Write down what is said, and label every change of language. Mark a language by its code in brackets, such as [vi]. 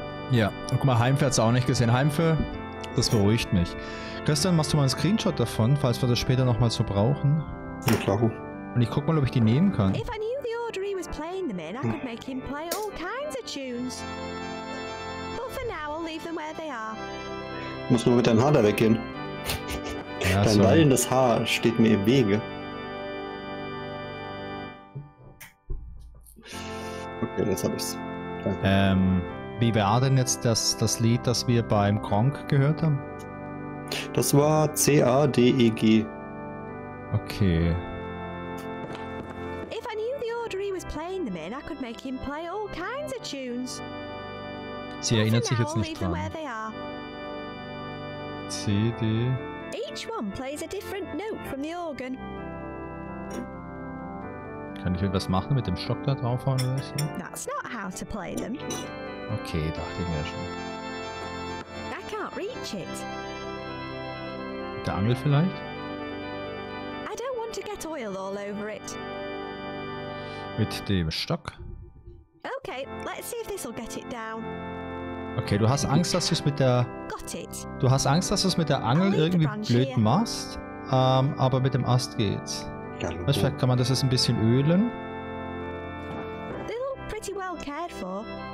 [de] Ja, guck mal, Heimfer hat's auch nicht gesehen. Heimfer, das beruhigt mich. Christian, machst du mal einen Screenshot davon, falls wir das später nochmal so brauchen? Ja, klar. Und ich guck mal, ob ich die nehmen kann. [en] If I knew the order he was playing them in, I could make him play all kinds of tunes. But for now, I'll leave them where they are. [de] Muss nur mit deinem Haar da weggehen. Ja, dein wallendes Haar steht mir im Wege. Ja, jetzt habe ich's. Wie war denn jetzt das Lied, das wir beim Gronkh gehört haben? Das war C-A-D-E-G. Okay. [en] If I knew the order he was playing them in, I could make him play all kinds of tunes. [de] Sie erinnert sich jetzt nicht dran. C, D. [en] Each one plays a different note from the organ. [de] Kann ich irgendwas machen mit dem Stock da draufhauen oder so? [en] That's not how to play them. [de] Okay, dachte ich mir schon. [en] I can't reach it. [de] Der Angel vielleicht? [en] I don't want to get oil all over it. [de] Mit dem Stock? [en] Okay, let's see if this will get it down. [de] Okay, du hast Angst, dass du es mit der. [en] Got it. [de] Du hast Angst, dass du es mit der Angel irgendwie blöd machst. Aber mit dem Ast geht's. Ja, weißt du, kann man das jetzt ein bisschen ölen? [en] They look pretty well cared for.